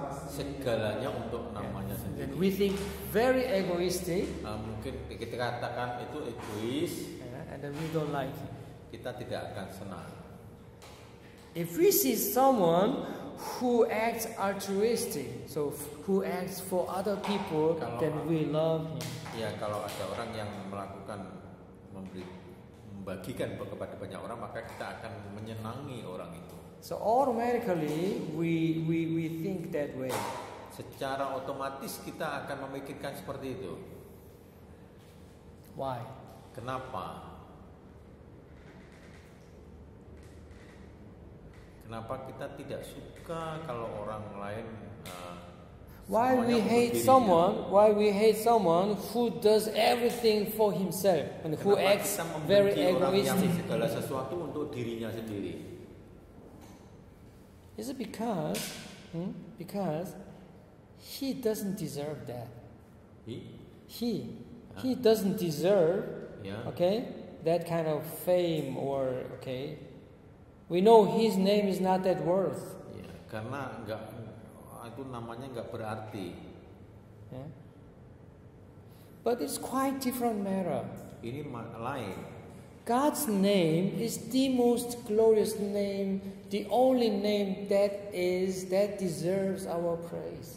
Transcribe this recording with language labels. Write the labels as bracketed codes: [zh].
[id] segalanya untuk namanya sendiri. [en] We think very egoistic. [id] Mungkin kita katakan itu egois. [en] And then we don't like. [id] Kita tidak akan senang. [en] If we see someone who acts altruistic, so who acts for other people, then we love him. [id] Ya, kalau ada orang yang melakukan membagikan kepada banyak orang, maka kita akan menyenangi orang itu. [en] So automatically we think that way. [id] Secara otomatis kita akan memikirkan seperti itu. [en] Why? [id] Kenapa? Kenapa kita tidak suka kalau orang lain [en] why we hate someone who does everything for himself and who acts very egoistic. [id] Orang yang segala sesuatu untuk dirinya sendiri. [en] Is it because, because he doesn't deserve that? He? He. He doesn't deserve, okay, that kind of fame or okay. We know his name is not that worth. [id] Yeah, karena enggak, itu namanya enggak berarti. [en] But it's quite different matter. [id] Ini lain. [en] God's name is the most glorious name, the only name that is that deserves our praise.